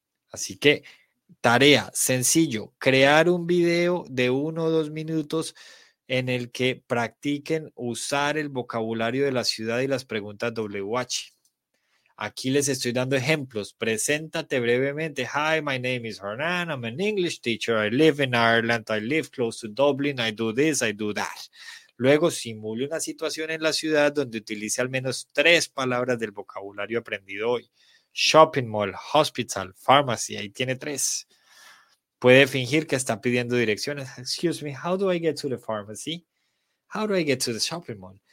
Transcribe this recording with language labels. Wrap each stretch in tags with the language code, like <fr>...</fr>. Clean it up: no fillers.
<es>Así que, tarea sencillo, crear un video de 1 o 2 minutos en el que practiquen usar el vocabulario de la ciudad y las preguntas WH. Aquí les estoy dando ejemplos. Preséntate brevemente.</es> <en>Hi, my name is Hernán. I'm an English teacher. I live in Ireland. I live close to Dublin. I do this, I do that.</en> <es>Luego simule una situación en la ciudad donde utilice al menos tres palabras del vocabulario aprendido hoy.</es> <en>Shopping mall, hospital, pharmacy,</en> <es>ahí tiene tres. Puede fingir que está pidiendo direcciones.</es> <en>Excuse me, how do I get to the pharmacy? How do I get to the shopping mall?</en>